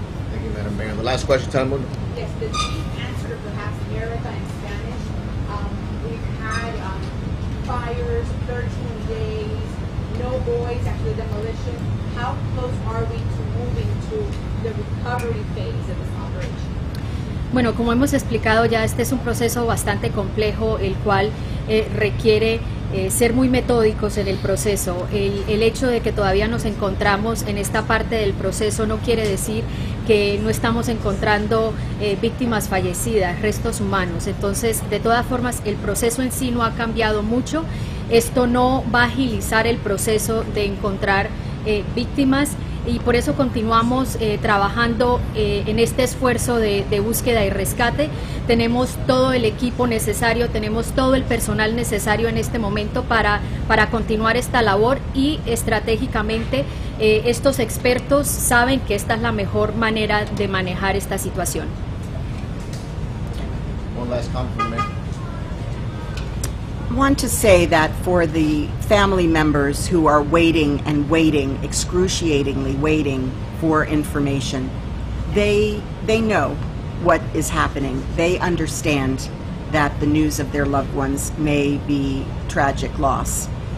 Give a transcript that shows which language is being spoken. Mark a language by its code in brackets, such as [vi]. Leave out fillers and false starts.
[en] Thank you, Madam Mayor. The last question, Tom Wood. Yes, the chief answered perhaps in Arabic and Spanish. We've had fires, 13 days, no boys after the demolition. How close are we to moving to into the recovery phase of this operation? [es] Bueno, como hemos explicado ya, este es un proceso bastante complejo, el cual requiere ser muy metódicos en el proceso. El hecho de que todavía nos encontramos en esta parte del proceso no quiere decir que no estamos encontrando víctimas fallecidas, restos humanos. Entonces, de todas formas, el proceso en sí no ha cambiado mucho. Esto no va a agilizar el proceso de encontrar víctimas. Y por eso continuamos trabajando en este esfuerzo de búsqueda y rescate. Tenemos todo el equipo necesario, tenemos todo el personal necesario en este momento para continuar esta labor y estratégicamente estos expertos saben que esta es la mejor manera de manejar esta situación. [en] One last comment from me. I want to say that for the family members who are waiting and waiting, excruciatingly waiting for information, they know what is happening. They understand that the news of their loved ones may be tragic loss.